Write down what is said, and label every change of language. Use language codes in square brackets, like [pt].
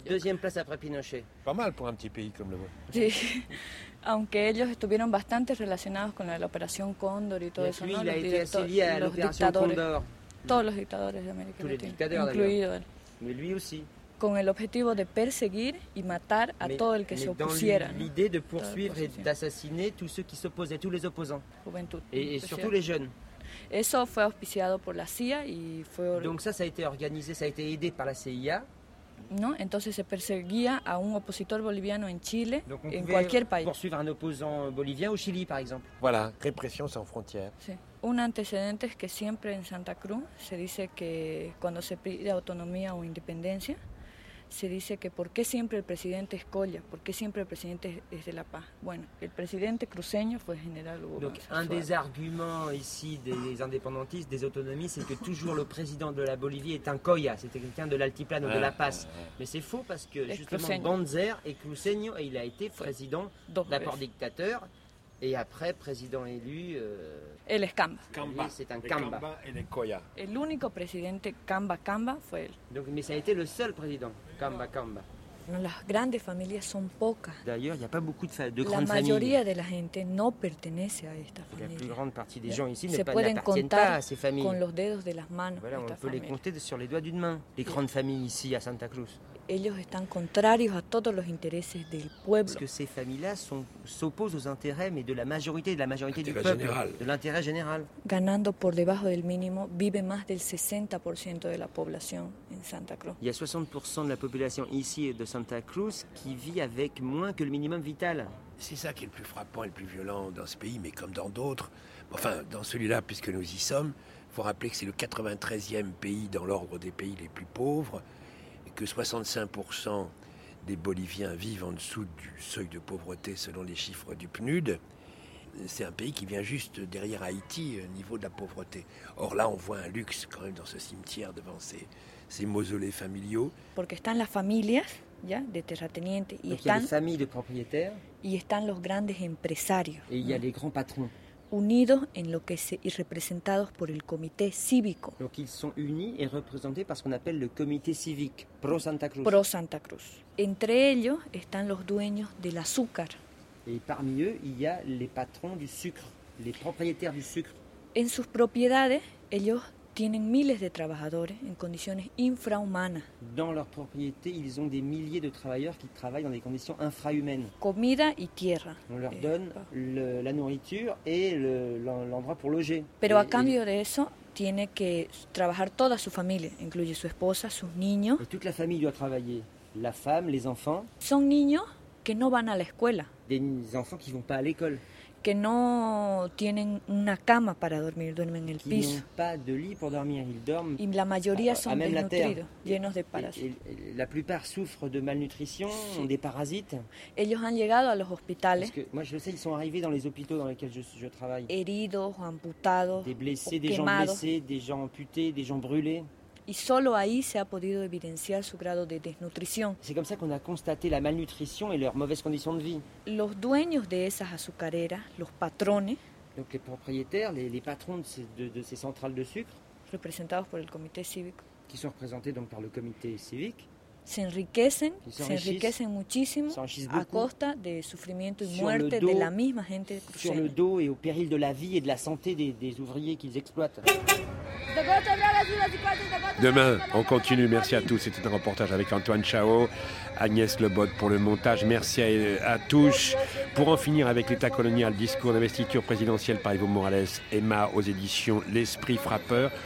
[fr] Deuxième place après Pinochet. Pas mal pour un petit pays comme le vôtre. [es] Sí. Aunque ellos estuvieron bastante relacionados con la operación Cóndor y todo eso, ¿no? Los dictadores. Todos los dictadores de América Latina, incluido él. [fr] Mais lui aussi. [es] Con el objetivo de perseguir y matar a todo el que se opusiera. [fr] L'idée de poursuivre et d'assassiner tous ceux qui s'opposaient, tous les opposants. [es] Juventud. [fr] Et surtout les jeunes. [es] Eso fue auspiciado por la CIA y fue. [fr] Donc ça a été organisé, ça a été aidé par la CIA. [es] No, entonces se perseguía a un opositor boliviano en Chile, en cualquier país. [fr] Poursuivre un opposant bolivien au Chili, par exemple. Voilà, répression sans frontières. [es] Sí. Un antecedente es que siempre en Santa Cruz se dice que cuando se pide autonomía o independencia, se dice que ¿por qué siempre el presidente es Colla? ¿Por qué siempre el presidente es de La Paz? Bueno, el presidente cruceño fue general Hugo [fr] Donc, Sassuari. Un des arguments ici des indépendantistes, des autonomistes, c'est que toujours le président de la Bolivie est un Colla, c'était quelqu'un de l'altiplano, de La Paz. Mais c'est faux parce que justement Banzer est cruceño et il a été président d'abord dictateur et après président élu. [es] Él es Camba. [fr] Camba. C'est un Camba. Camba et les Colla. [es] El único presidente Camba fue él. [fr] Donc, mais ça a été le seul président. Camba, Camba. [es] Las grandes familias son pocas. [fr] D'ailleurs, il n'y a pas beaucoup de grandes [es] familles. La mayoría de la gente no pertenece a esta familia. [fr] La plus grande partie des gens ici n'appartiennent pas à ces familles. [es] Con los dedos de las manos. [fr] Voilà, on peut les compter sur les doigts d'une main. Les grandes familles ici à Santa Cruz. [es] Ellos están contrarios a todos los intereses del pueblo. [fr] Parce que ces familias s'opposent aux intérêts, mais de la majorité du peuple, de l'intérêt général. [es] Ganando por debajo del mínimo, vive más del 60% de la población en Santa Cruz. [fr] Il y a 60% de la population ici de Santa Cruz qui vit avec moins que le minimum vital. C'est ça qui est le plus frappant et le plus violent dans ce pays, mais comme dans d'autres. Enfin, dans celui-là, puisque nous y sommes, il faut rappeler que c'est le 93e pays dans l'ordre des pays les plus pauvres. Que 65% des Boliviens vivent en dessous du seuil de pauvreté selon les chiffres du PNUD. C'est un pays qui vient juste derrière Haïti au niveau de la pauvreté. Or là, on voit un luxe quand même dans ce cimetière devant ces mausolées familiaux. [es] Porque están las familias ya de terratenientes y están [fr] les familles de propriétaires. [es] Y están los grandes empresarios. [fr] Et il y a les grands patrons. [es] Unidos en lo que se y representados por el comité cívico. [fr] Donc ils sont unis et représentés par ce qu'on appelle le comité civique pro Santa Cruz. Pro Santa Cruz. [es] Entre ellos están los dueños del azúcar. [fr] Et parmi eux, il y a les patrons du sucre, les propriétaires du sucre. [es] En sus propiedades, ellos tienen miles de trabajadores en condiciones infrahumanas. [fr] Dans leur propriété, ils ont des milliers de travailleurs qui travaillent dans des conditions infrahumaines. [es] Comida y tierra. [fr] On leur donne la nourriture et l'endroit pour loger. [es] Pero a cambio de eso, tiene que trabajar toda su familia, incluye su esposa, sus niños. [fr] Et toute la famille doit travailler, la femme, les enfants. [es] Son niños que no van a la escuela. [fr] Des enfants qui vont pas à l'école. [es] Que no tienen una cama para dormir, duermen en el piso. [fr] Qui n'ont pas de lit pour dormir, ils dorment. [es] Y la mayoría son desnutridos, llenos de parasites. [fr] La plupart souffrent de malnutrition, sont des parasites. [es] Ellos han llegado a los hospitales. [fr] Parce que moi je le sais, ils sont arrivés dans les hôpitaux dans lesquels je travaille. [es] Heridos, amputados, [fr] des blessés, des gens blessés, des gens amputés, des gens brûlés. [es] Y solo ahí se ha podido evidenciar su grado de desnutrición. [fr] C'est comme ça qu'on a constaté la malnutrition et leurs mauvaises conditions de vie. [es] Los dueños de esas azucareras, los patrones. [fr] Donc les propriétaires, les patrons de ces centrales de sucre. [es] Representados por el comité cívico. [fr] Qui sont représentés donc par le comité civique. [es] Se enriquecen muchísimo a costa de sufrimiento y muerte de la misma gente. [fr] Sur le dos et au péril de la vie et de la santé des ouvriers qu'ils exploitent. Demain, on continue. Merci à tous. C'était un reportage avec Antoine Chao, Agnès Lebot pour le montage. Merci à Touche. Pour en finir avec l'État colonial, discours d'investiture présidentielle par Evo Morales, Emma aux éditions L'Esprit Frappeur.